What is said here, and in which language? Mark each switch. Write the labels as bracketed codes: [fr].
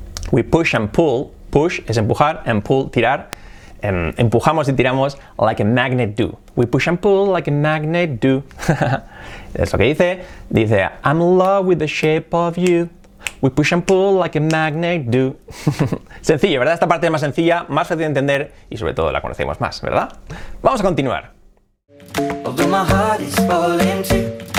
[en] We push and pull. Push [es] es empujar [en] and pull, tirar. [es] Empujamos y tiramos [en] like a magnet do. We push and pull like a magnet do. [es] Es lo que dice. Dice, [en] I'm in love with the shape of you. We push and pull like a magnet do. [es] Sencillo, ¿verdad? Esta parte es más sencilla, más fácil de entender y sobre todo la conocemos más, ¿verdad? Vamos a continuar. [en] Although my heart is falling too.